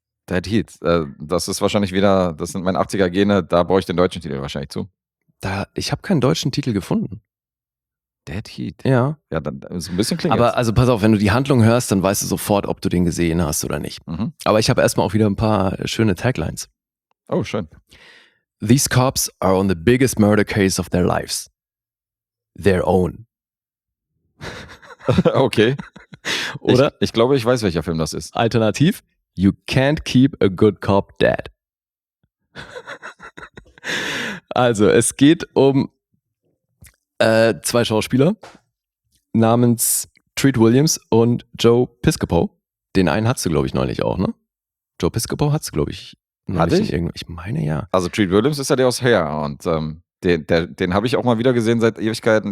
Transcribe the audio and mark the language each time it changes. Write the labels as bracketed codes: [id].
[de] Dead Heat, das ist wahrscheinlich wieder, das sind meine 80er-Gene, da brauche ich den deutschen Titel wahrscheinlich zu. Da, ich habe keinen deutschen Titel gefunden. Dead Heat? Ja. Ja, dann ist ein bisschen klingelt. Aber also pass auf, wenn du die Handlung hörst, dann weißt du sofort, ob du den gesehen hast oder nicht. Mhm. Aber ich habe erstmal auch wieder ein paar schöne Taglines. Oh, schön. [en] These cops are on the biggest murder case of their lives. Their own. Okay. [de] Oder? Ich glaube, ich weiß, welcher Film das ist. Alternativ? [en] You can't keep a good cop dead. [de] Also, es geht um zwei Schauspieler namens Treat Williams und Joe Piscopo. Den einen hattest du, glaube ich, neulich auch, ne? Joe Piscopo hattest du, glaube ich, neulich. Hatte ich? Ich meine, ja. Also, Treat Williams ist ja der aus Hair und den habe ich auch mal wieder gesehen seit Ewigkeiten.